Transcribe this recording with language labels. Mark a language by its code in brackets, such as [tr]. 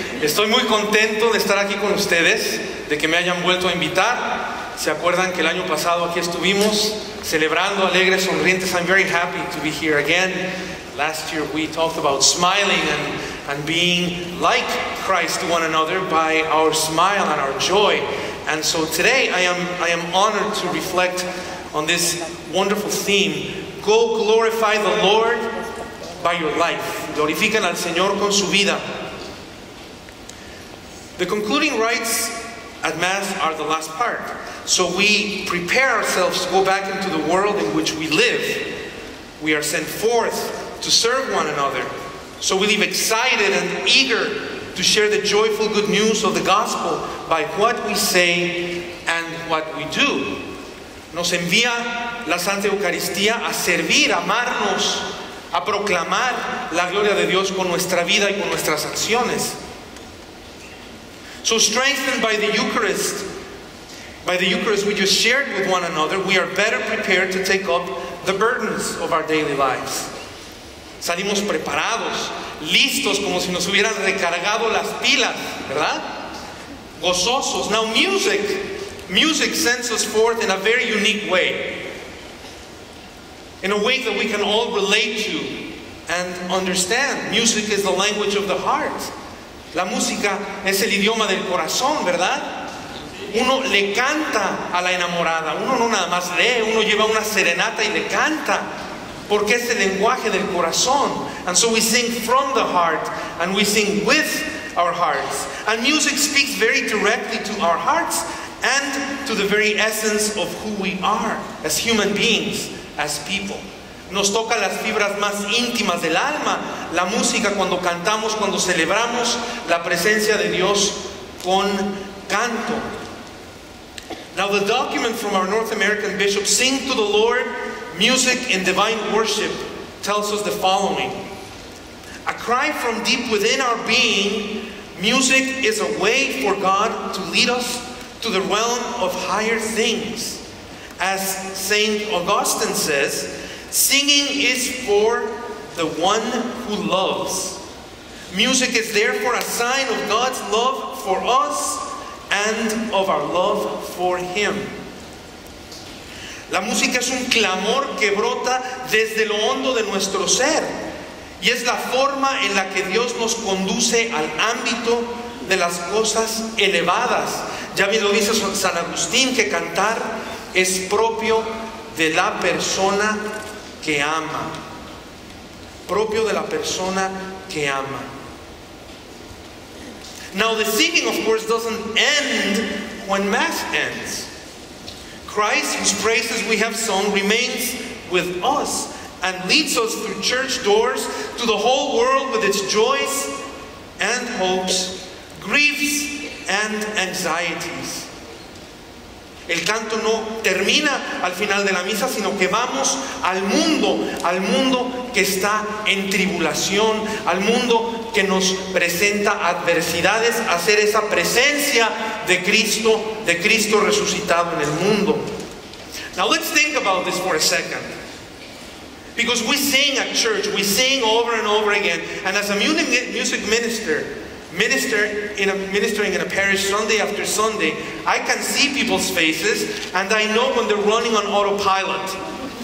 [es] Estoy muy contento de estar aquí con ustedes, de que me hayan vuelto a invitar. ¿Se acuerdan que el año pasado aquí estuvimos celebrando alegres, sonrientes? [en] I'm very happy to be here again. Last year we talked about smiling and being like Christ to one another by our smile and our joy. And so today I am honored to reflect on this wonderful theme. Go glorify the Lord by your life. [es] Glorifican al Señor con su vida. [en] The concluding rites at Mass are the last part. So we prepare ourselves to go back into the world in which we live. We are sent forth to serve one another. So we leave excited and eager to share the joyful good news of the gospel by what we say and what we do. [es] Nos envía la Santa Eucaristía a servir, a amarnos, a proclamar la gloria de Dios con nuestra vida y con nuestras acciones. [en] So strengthened by the Eucharist we just shared with one another, we are better prepared to take up the burdens of our daily lives. [es] Salimos preparados, listos, como si nos hubieran recargado las pilas, ¿verdad? Gozosos. [en] Now music sends us forth in a very unique way. In a way that we can all relate to and understand. Music is the language of the heart. [es] La música es el idioma del corazón, ¿verdad? Uno le canta a la enamorada. Uno no nada más lee, uno lleva una serenata y le canta. Porque es el lenguaje del corazón. [en] And so we sing from the heart and we sing with our hearts. And music speaks very directly to our hearts and to the very essence of who we are as human beings. As people, [es] nos toca las fibras más íntimas del alma, la música cuando cantamos, cuando celebramos la presencia de Dios con canto. [en] Now the document from our North American bishop, Sing to the Lord, Music in Divine Worship, tells us the following. A cry from deep within our being, music is a way for God to lead us to the realm of higher things. as Saint Augustine says, singing is for the one who loves. Music is therefore a sign of God's love for us and of our love for Him. [es] La música es un clamor que brota desde lo hondo de nuestro ser y es la forma en la que Dios nos conduce al ámbito de las cosas elevadas. Ya bien lo dice San Agustín, que cantar es propio de la persona que ama. Propio de la persona que ama. [en] Now the singing, of course, doesn't end when Mass ends. Christ, whose praises we have sung, remains with us and leads us through church doors to the whole world with its joys and hopes, griefs and anxieties. [es] El canto no termina al final de la misa, sino que vamos al mundo que está en tribulación, al mundo que nos presenta adversidades, a ser esa presencia de Cristo resucitado en el mundo. [en] Now let's think about this for a second. Because we sing at church, we sing over and over again, and as a music minister, ministering in a parish Sunday after Sunday, I can see people's faces and I know when they're running on autopilot.